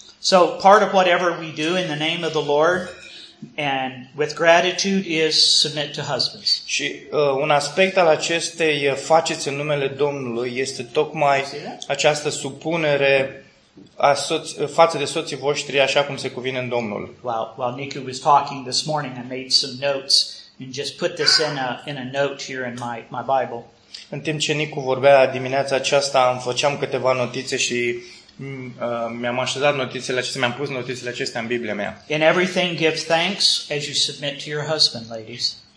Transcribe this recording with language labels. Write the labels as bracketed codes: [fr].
[en] So part of whatever we do in the name of the Lord and with gratitude is submit to husbands. [ro] Și un aspect al acestei faceți în numele Domnului este tocmai această supunere a față de soții voștri așa cum se cuvine în Domnul. [en] While Nicu was talking this morning, I made some notes and just put this in a note here in my Bible. [ro] În timp ce Nicu vorbea dimineața aceasta, îmi făceam câteva notițe și mi-am așezat notițele acestea, mi-am pus notițele acestea în Biblia mea. [en] In everything give thanks as you submit to your husband, ladies.